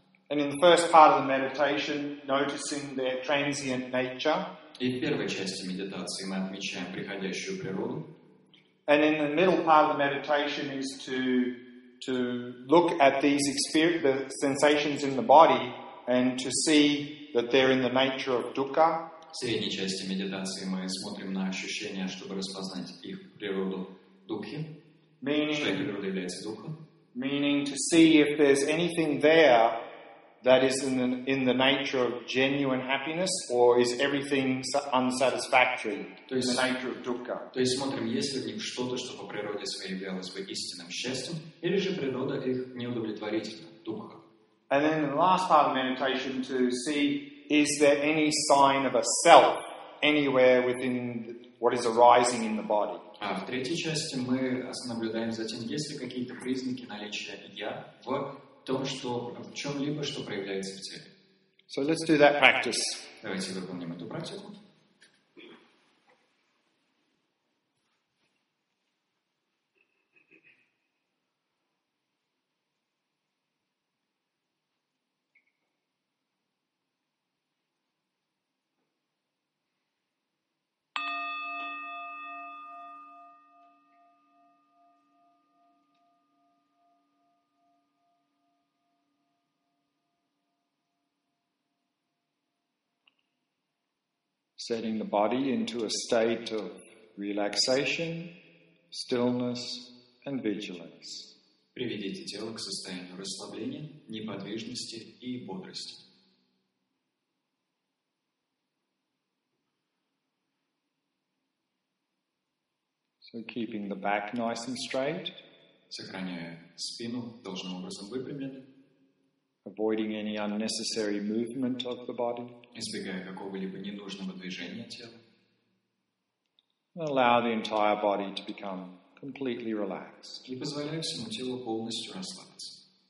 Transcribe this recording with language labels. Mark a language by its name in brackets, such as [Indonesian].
[English] And in the first part of the meditation, noticing their transient nature. [Russian] И в первой части медитации мы отмечаем приходящую природу. [English] And in the middle part of the meditation is to look at these the sensations in the body and to see that they're in the nature of dukkha. [Russian] В средней части медитации мы смотрим на ощущения, чтобы распознать их природу дукхи. [English] Meaning, [Russian] что природа является духом. [English] Meaning to see if there's anything there that is in the nature of genuine happiness, or is everything unsatisfactory in the nature of dukkha? [Russian] То есть смотрим, есть ли в них что-то, что по природе своей являлось бы истинным счастьем, или же природа их не удовлетворительна, духа. [English] And then the last part of meditation to see, is there any sign of a self anywhere within what is arising in the body? [Russian] А в третьей части мы наблюдаем за тем, есть ли какие-то признаки наличия «я» в том, что в чем-либо, что проявляется в теле. [English] So let's do that practice. [Russian] Давайте выполним эту практику. [English] Setting the body into a state of relaxation, stillness, and vigilance. [Russian] Приведите тело к состоянию расслабления, неподвижности и бодрости. [English] So keeping the back nice and straight. [Russian] Сохраняя спину должным образом выпрямленной. [English] Avoiding any unnecessary movement of the body. [Russian] Избегая какого-либо ненужного движения тела. [English] And allow the entire body to become completely relaxed. [Russian] И позволяя всему телу полностью расслабиться.